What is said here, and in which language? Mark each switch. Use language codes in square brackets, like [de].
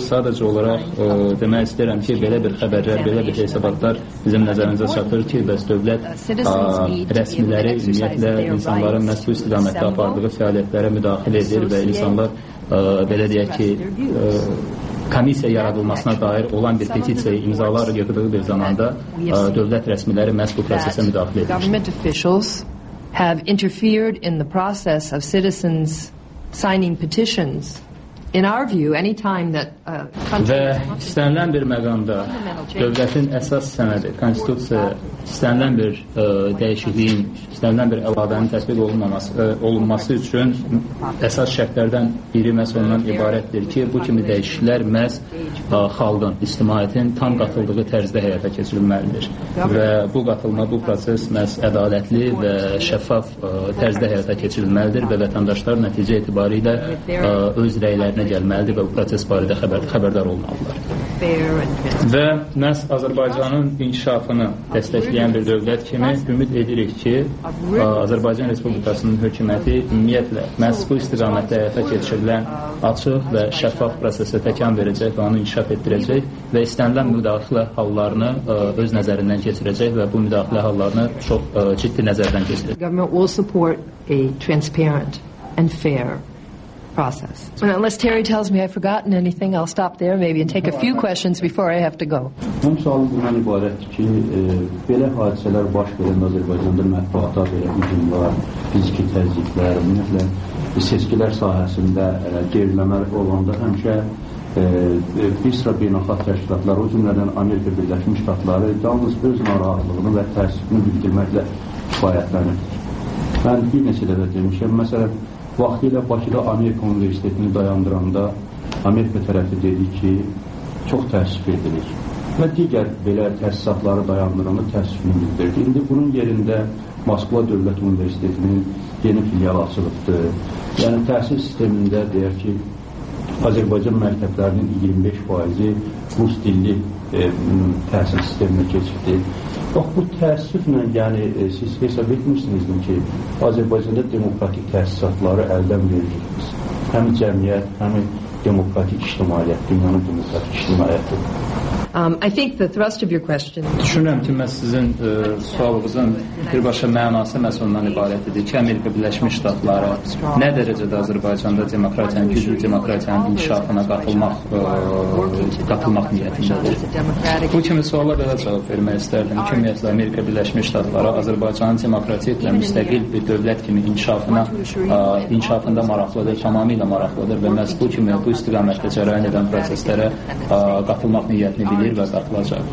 [az] Sadəcə olaraq demək istəyirəm ki, belə bir xəbərlər, belə bir hesabatlar bizim nəzərimizə çatır ki, bəs dövlət rəsmiləri ümumiyyətlə insanların məhz bu istiqamətdə apardığı fəaliyyətlərə müdaxilə edir və insanlar, belə deyək ki, komissiya yaradılmasına dair olan bir petisiyayı imzalar yığdığı bir zamanda dövlət rəsmiləri məhz bu prosesə müdaxilə etmişdir. [en] Government officials have interfered in the process of citizens signing petitions. In our view, any time that [az] və istənilən bir məqamda dövlətin əsas sənədi, konstitusiya, istənilən bir dəyişikliyin, istənilən bir əlavənin təsbiq olunması üçün əsas şərtlərdən biri məhz ondan ibarətdir ki, bu kimi dəyişikliklər məhz xalqın, ictimaiyyətin tam qatıldığı tərzdə həyata keçirilməlidir. Və bu qatılma, bu proses məhz ədalətli və şəffaf tərzdə həyata keçirilməlidir və vətəndaşlar nəticə etibarilə öz rəylərinə gəlməlidir və bu proses barədə xəbərdar olmalıdır. Və məhz Azərbaycanın inkişafını dəstəkləyən bir dövlət kimi ümid edirik ki, Azərbaycan Respublikasının hökuməti ümumiyyətlə məhz bu istiqamətdə həyata keçirilən açıq və şəffaf prosesə təkan verəcək və onu inkişaf etdirəcək və istənilən müdaxilə hallarını öz nəzərindən keçirəcək və bu müdaxilə hallarını çox ciddi nəzərdən keçirəcək. [en] Government will support a transparent and fair process. Well, unless Terry tells me I've forgotten anything, I'll stop there maybe and take a few questions before I have to go. [az] Həm sualım bundan ibarətdir ki, belə hadisələr baş verən Azərbaycanda mətbuata belə hücumlar, fiziki təzyiqlər, ümumiyyətlə, seçkilər sahəsində gerilmələr olanda həmişə bir sıra beynəlxalq təşkilatlar, o cümlədən Amerika Birləşmiş Ştatları yalnız öz narahatlığını və təəssüfünü bildirməklə kifayətlənir. Mən bir neçə dəfə demişəm, məsələn, vaxtilə Bakıda Amerika Universitetini dayandıranda Amerika tərəfi dedi ki, çox təəssüf edirik və digər belə təsisatları dayandıranda təəssüfünü bildirdi. İndi bunun yerində Moskva Dövlət Universitetinin yeni filialı açılıbdır. Yəni təhsil sistemində deyək ki, Azərbaycan məktəblərinin 25% rus dilli təhsil sisteminə keçirdi. Bax, bu təəssüflə, yəni siz hesab etmişsinizdir ki, Azərbaycanda demokratik təhsilatları əldən verilmiş. Həm cəmiyyət, həm demokratik iştimaiyyət, dünyanın demokratik iştimaiyyəti. [en] I think the thrust of your question. [az] Düşünürəm ki, məhz sizin sualınızın birbaşa mənası məhz ondan ibarət idi ki, Amerika Birləşmiş Ştatları nə dərəcədə Azərbaycanda demokratiyanın, güclü demokratiyanın inkişafına qatılmaq niyyətindədir. Bu kimi suallar belə cavab vermək istərdim. Ümumiyyətlə, Amerika Birləşmiş Ştatları Azərbaycanın demokratiyyətlə müstəqil bir dövlət kimi inkişafında maraqlıdır, tamamilə maraqlıdır və məhz bu kimi bu istiqamətdə cərəyan edən proseslərə qatılmaq niyyətindədir. Bilir və qatılacaq.